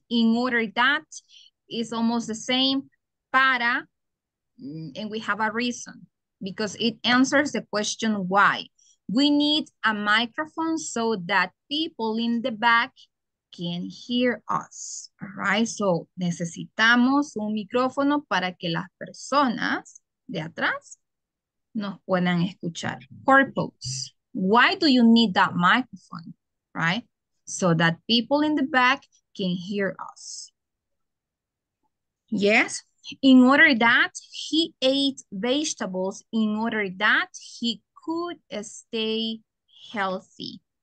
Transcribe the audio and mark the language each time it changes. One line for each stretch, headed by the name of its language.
English: In order that is almost the same para, and we have a reason. Because it answers the question why. We need a microphone so that people in the back can hear us. All right, so
Spanish: necesitamos un micrófono para que las personas de atrás nos puedan escuchar.
English: Purpose. Why do you need that microphone? Right? So that people in the back can hear us. Yes? In order that he ate vegetables, in order that he could stay healthy.